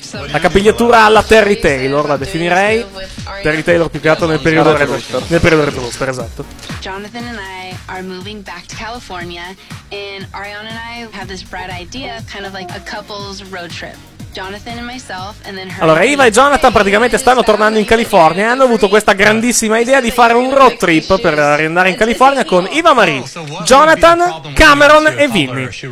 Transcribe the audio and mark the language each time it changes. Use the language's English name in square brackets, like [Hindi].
[Italian] La capigliatura alla Terry Taylor, la definirei. Terry Taylor più che altro nel periodo retro. Nel periodo retro, esatto. [English] Jonathan and I are moving back to California and Ariana and I have this bright idea, kind of like a couple's road trip. Jonathan and myself, and then her. [Italian] Allora, Eva e Jonathan praticamente stanno tornando in California e hanno avuto questa grandissima idea di fare un road trip per riandare in California con Eva Marie, Jonathan, Cameron e Vinny.